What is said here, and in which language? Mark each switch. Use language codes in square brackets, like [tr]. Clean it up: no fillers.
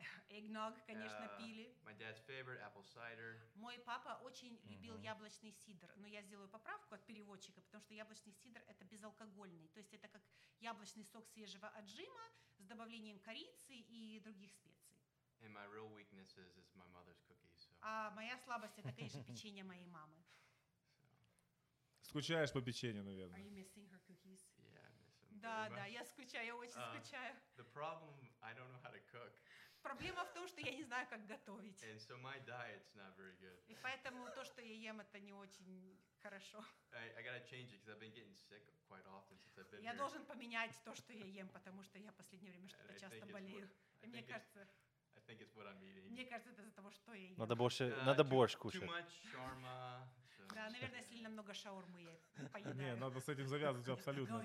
[ru] Eggnog, конечно, пили. [en] My dad's favorite, apple cider. [ru] Мой папа очень любил яблочный сидр, но я сделаю поправку от переводчика, потому что яблочный сидр – это безалкогольный. То есть это как яблочный сок свежего отжима с добавлением корицы и других специй. [en] And my real weakness is my mother's cookies. So. [ru] А моя слабость это, конечно, печенье моей мамы. [en] So. [ru] Скучаешь по печенью, наверное? [en] Are you missing her cookies? Yeah, I miss them. [ru] Да, да, я скучаю, я очень скучаю. [en] The problem, I don't know how to cook. [ru] Проблема в том, что я не знаю, как готовить. [en] And so my diet's not very good. [ru] И поэтому то, что я ем, это не очень хорошо. [en] I gotta change it, because I've been getting sick quite often since I've been here. [ru] Я должен поменять то, что я ем, потому что я в последнее время что-то часто болею. И мне кажется. [en] I think it's what I'm eating. [ru] Мне кажется, это из-за того, что я ем. Надо больше кушать. [en] Too much shawarma. [ru] Да, наверное, слишком много шаурмы я поедаю. Не, надо с этим завязывать абсолютно.